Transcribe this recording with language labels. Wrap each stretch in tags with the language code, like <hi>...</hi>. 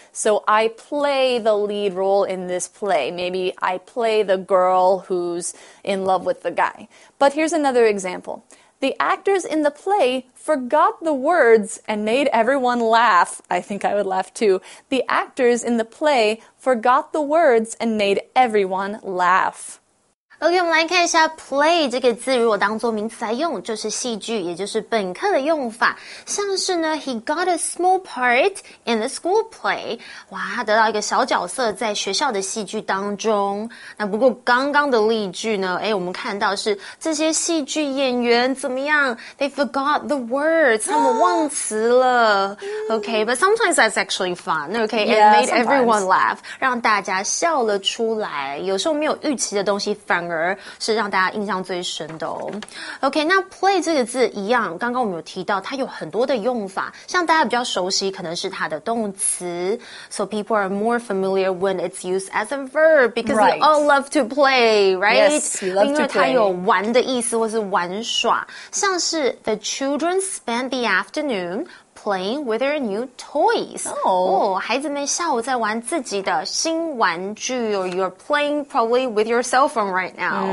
<en>So I play the lead role in this play. Maybe I play the girl who's in love with the guy. But here's another example. The actors in the play forgot the words and made everyone laugh. I think I would laugh too. The actors in the play forgot the words and made everyone laugh.</en> <zh>OK, 我们来看一下 play 这个字，如果当作名词来用，就是戏剧，也就是本课的用法。像是呢</zh> <en>，He got a small part in the school play。</en> <zh>哇，他得到一个小角色在学校的戏剧当中。那不过刚刚的例句呢，哎，我们看到是这些戏剧演员怎么样 ？</zh> <en>They forgot the words，</en> <zh>他们忘词了。</zh> <en>OK， but sometimes that's actually fun。 OK， yeah, and made、 sometimes. everyone laugh，</en> <zh>让大家笑了出来。有时候没有预期的东西反。反而是让大家印象最深的哦。 OK， 那 play 这个字一样，刚刚我们有提到它有很多的用法，像大家比较熟悉可能是它的动词。</zh> <en>So people are more familiar when it's used as a verb because、 right. we all love to play, right? Yes, we love to play.</en> <zh>因为它有玩的意思或是玩耍，</zh> <en>像是 the children spend the afternoon playing with their new toys. Oh. Oh,</en> <zh>孩子们下午在玩自己的新玩具</zh> <en>or you're playing probably with your cell phone right now.、</en>